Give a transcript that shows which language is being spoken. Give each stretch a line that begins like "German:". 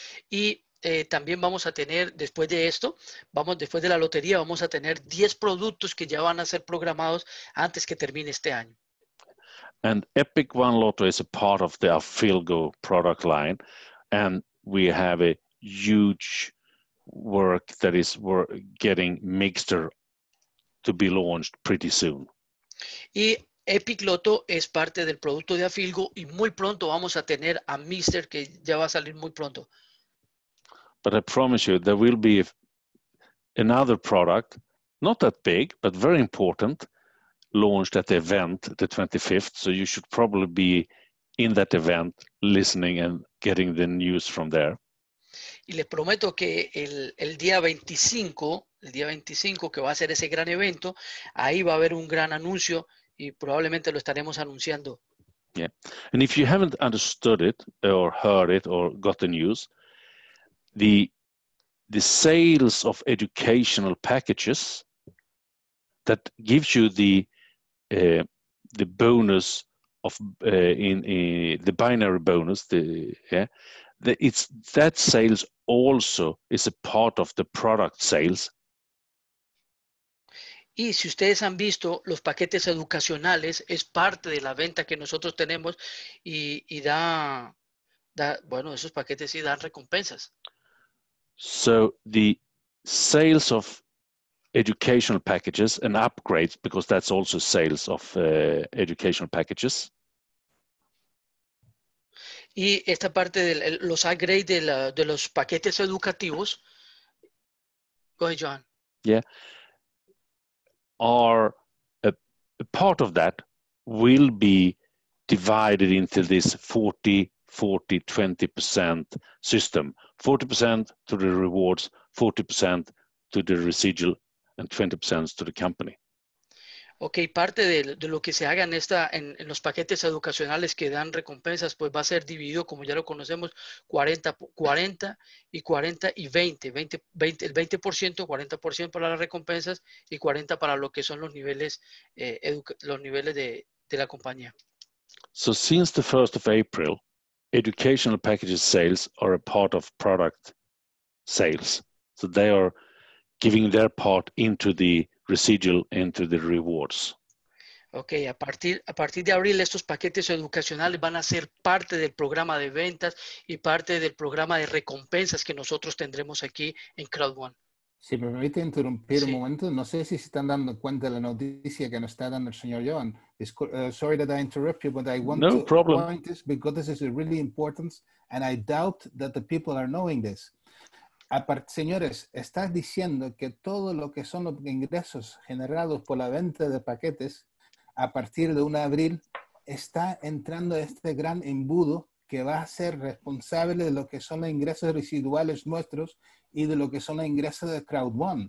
Spanish: Y también vamos a tener, después de esto, vamos después de la lotería, vamos a tener 10 productos que ya van a ser programados antes que termine este año.
English: And Epic One Lotto is a part of the Afilgo product line, and we have a huge work that is getting Mixter to be launched pretty soon.
Spanish: Y Epic Lotto es parte del producto de Afilgo y muy pronto vamos a tener a Mixter que ya va a salir muy pronto.
English: But I promise you, there will be another product, not that big, but very important, launched at the event, the 25th. So you should probably be in that event, listening and getting the news from there.
Spanish: Y les prometo que el día 25, el día 25 que va a ser ese gran evento, ahí va a haber un gran anuncio y probablemente lo estaremos anunciando.
English: Yeah. And if you haven't understood it or heard it or got the news, the sales of educational packages that gives you the bonus of in the binary bonus, it's that sales also is a part of the product sales.
Spanish: Y si ustedes han visto los paquetes educacionales es parte de la venta que nosotros tenemos y da bueno esos paquetes sí dan recompensas.
English: So the sales of educational packages and upgrades, because that's also sales of educational packages.
Spanish: Y esta parte de los upgrades de los paquetes educativos.
English: Go ahead, John. Yeah. Are a part of that will be divided into this 40-40-20% system. 40% to the rewards, 40% to the residual, and 20% to the company.
Spanish: Okay, parte de lo que se haga en esta en los paquetes educacionales que dan recompensas, pues va a ser dividido, como ya lo conocemos, 40% para las recompensas y 40 para lo que son los niveles de la compañía.
English: So since the 1st of April, educational packages sales are a part of product sales. So they are giving their part into the residual, into the rewards.
Spanish: Okay, a partir de abril, estos paquetes educacionales van a ser parte del programa de ventas y parte del programa de recompensas que nosotros tendremos aquí en Crowd1. Si me permite interrumpir un momento, no sé si se están dando cuenta de la noticia que nos está dando el señor Johan.
English: Sorry that I interrupt you, but I want no to problem. Point this because this is really important and I doubt that the people are knowing this.
Spanish: Señores, estás diciendo que todo lo que son los ingresos generados por la venta de paquetes a partir de 1 de abril está entrando este gran embudo que va a ser responsable de lo que son los ingresos residuales nuestros y de lo que son los ingresos de Crowd1.